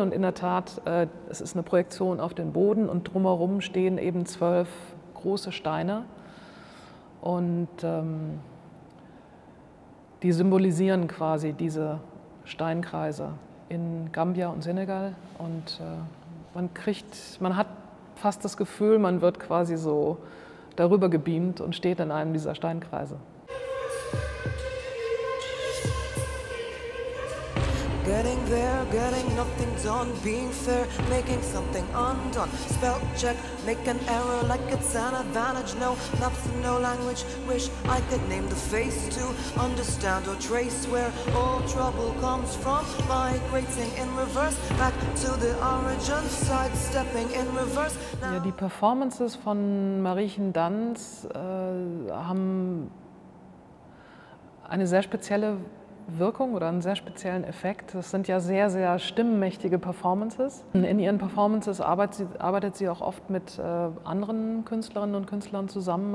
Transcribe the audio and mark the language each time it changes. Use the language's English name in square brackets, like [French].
[German] Und in der Tat, es ist eine Projektion auf den Boden und drumherum stehen eben 12 große Steine und die symbolisieren quasi diese Steinkreise in Gambia und Senegal und man hat fast das Gefühl, man wird quasi so darüber gebeamt und steht in einem dieser Steinkreise. [English] Getting there, getting nothing done, being fair, making something undone. Spell check, make an error like it's an advantage. No maps, no language, wish I could name the face to understand or trace where all trouble comes from. Migrating in reverse, back to the origin, sidestepping in reverse. [German] Ja, die Performances von Mariechen Danz haben eine sehr spezielle Wirkung oder einen sehr speziellen Effekt. Das sind ja sehr, sehr stimmenmächtige Performances. In ihren Performances arbeitet sie auch oft mit anderen Künstlerinnen und Künstlern zusammen.